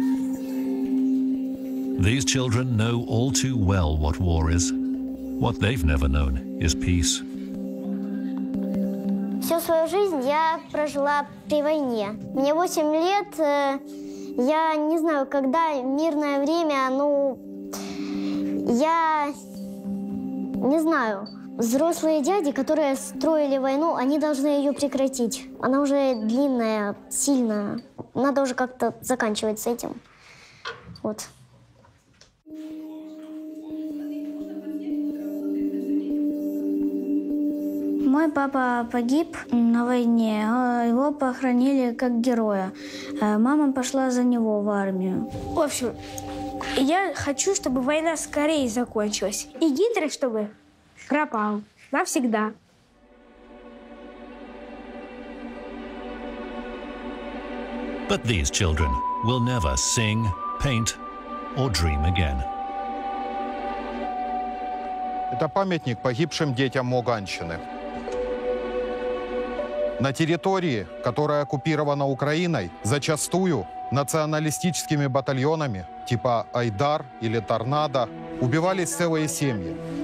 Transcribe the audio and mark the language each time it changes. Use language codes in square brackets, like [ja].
[en] These children know all too well what war is. What they've never known is peace. [ru] Всю свою жизнь я прожила при войне. Мне 8 лет, я не знаю, когда мирное время, ну, я не знаю. Взрослые дяди, которые строили войну, они должны ее прекратить. Она уже длинная, сильная. Надо уже как-то заканчивать с этим. Вот. Мой папа погиб на войне, его похоронили как героя. Мама пошла за него в армию. В общем, я хочу, чтобы война скорее закончилась. И Гитлер, чтобы пропал навсегда. [en] But these children will never sing, paint or dream again. [ru] Это памятник погибшим детям Луганщины. На территории, которая оккупирована Украиной, зачастую националистическими батальонами, типа «Айдар» или «Торнадо», убивались целые семьи.